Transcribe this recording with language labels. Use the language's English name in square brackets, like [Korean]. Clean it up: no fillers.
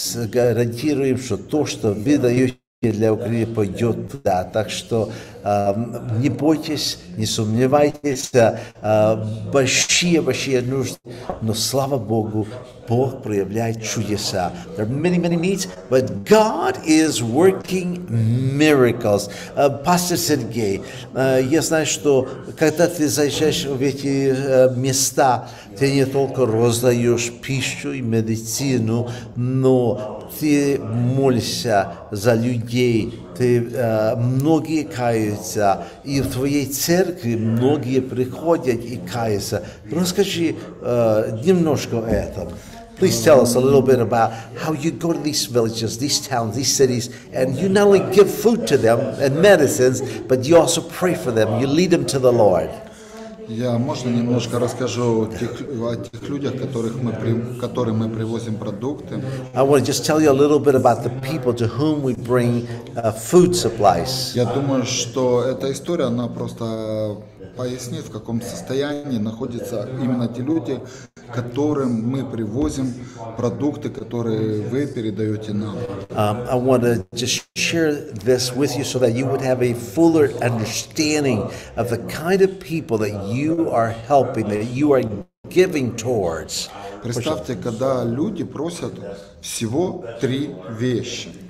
[Russian] Гарантируем, что то, что вы даете для Украины, пойдет туда. Так что не бойтесь, не сомневайтесь, большие нужды. Но слава Богу, Бог проявляет чудеса. [English] There are many needs, but God is working miracles. [Russian] Пастор Сергей, я знаю, что когда ты заезжаешь в эти места, ты не только раздаешь пищу и медицину, но ты молишься за людей, ты многие каются, и в твоей церкви многие приходят и каются. Расскажи немножко о этом. [English] Please tell us a little bit about how you go to these villages, these towns, these cities, and you not only give food to them and medicines, but you also pray for them, you lead them to the Lord. [Russian] Я можно немножко расскажу о тех людях, которым мы привозим продукты. [English] I want to just tell you a little bit about the people to whom we bring food supplies. [Russian] Я думаю, что эта история, она просто пояснит, в каком состоянии находятся именно те люди, которым мы привозим продукты, которые вы передаете нам. [English] I want to just share this with you so that you would have a fuller understanding of the kind of people that you are helping, that you are giving towards. [Russian] Представьте, когда люди просят всего три вещи.